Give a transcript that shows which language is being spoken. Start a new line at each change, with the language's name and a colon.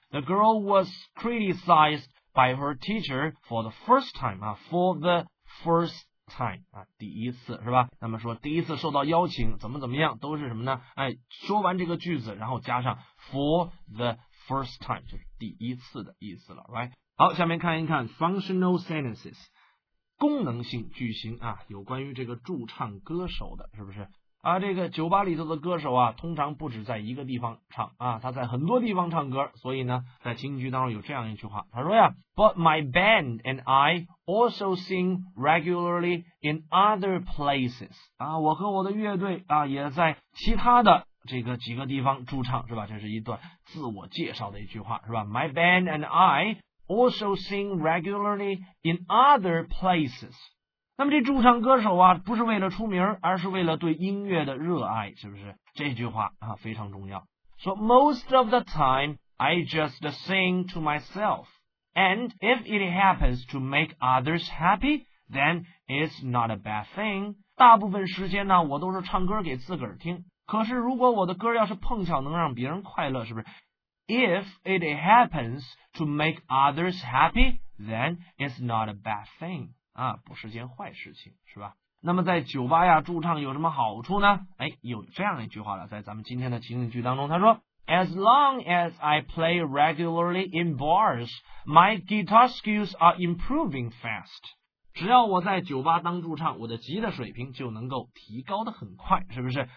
English: The girl was criticizedby her teacher for the first time 啊 ，for the first time
Chinese: 啊，第一次是吧？那么说第一次受到邀请，怎么怎么样，都是什么呢？哎，说完这个句子，然后加上 for the first time 就是第一次的意思了 ，right？好，下面看一看
English: functional sentences
Chinese: 功能性句型啊，有关于这个驻唱歌手的，是不是？啊，这个酒吧里头的歌手啊，通常不止在一个地方唱啊，他在很多地方唱歌，所以呢，在情景剧当中有这样一句话，他说呀 ，
English: But my band and I also sing regularly in other places.
Chinese: 啊，我和我的乐队啊，也在其他的这个几个地方驻唱，是吧？这是一段自我介绍的一句话，是吧
English: ？My band and I also sing regularly in other places.
Chinese: 那么这驻唱歌手啊，不是为了出名，而是为了对音乐的热爱，是不是？这句话啊非常重要。
English: So most of the time, I just sing to myself. And if it happens to make others happy, then it's not a bad thing.
Chinese: 大部分时间呢，我都是唱歌给自个儿听。可是如果我的歌要是碰巧能让别人快乐，是不是
English: ？If it happens to make others happy, then it's not a bad thing.
Chinese: 啊，不是件坏事情，是吧？那么在酒吧呀驻唱有什么好处呢？哎，有这样一句话了，在咱们今天的情景剧当中，他说。
English: As long as I play regularly in bars, my guitar skills are improving fast.
Chinese: 只要我在酒吧当驻唱，我的吉他水平就能够提高得很快，是不是？